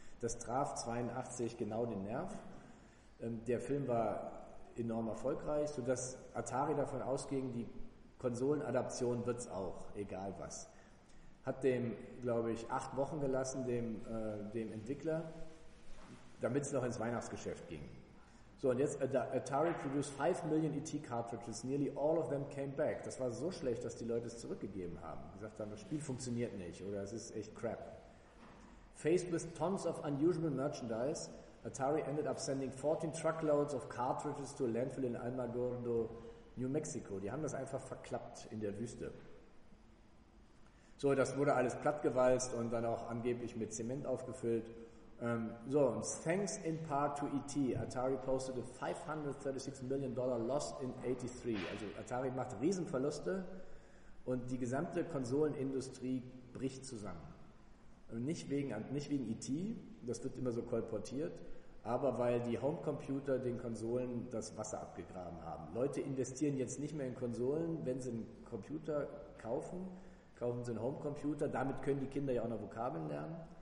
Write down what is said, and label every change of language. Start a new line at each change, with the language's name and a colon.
German: Das traf 82 genau den Nerv. Der Film war enorm erfolgreich, sodass Atari davon ausging, die Konsolenadaption wird es auch, egal was. Hat dem, glaube ich, 8 Wochen gelassen, dem Entwickler, damit es noch ins Weihnachtsgeschäft ging. So, und jetzt,
English: Atari produced 5 million ET cartridges, nearly all of them came back.
German: Das war so schlecht, dass die Leute es zurückgegeben haben. Gesagt haben, das Spiel funktioniert nicht oder es ist echt crap.
English: Faced with tons of unusual merchandise, Atari ended up sending 14 truckloads of cartridges to a landfill in Almagordo, New Mexico.
German: Die haben das einfach verklappt in der Wüste. So, das wurde alles plattgewalzt und dann auch angeblich mit Zement aufgefüllt.
English: Thanks in part to E.T., Atari posted a $536 million loss in 83.
German: Also Atari macht Riesenverluste und die gesamte Konsolenindustrie bricht zusammen. Nicht wegen E.T., das wird immer so kolportiert, aber weil die Homecomputer den Konsolen das Wasser abgegraben haben. Leute investieren jetzt nicht mehr in Konsolen, wenn sie einen Computer kaufen sie einen Homecomputer, damit können die Kinder ja auch noch Vokabeln lernen.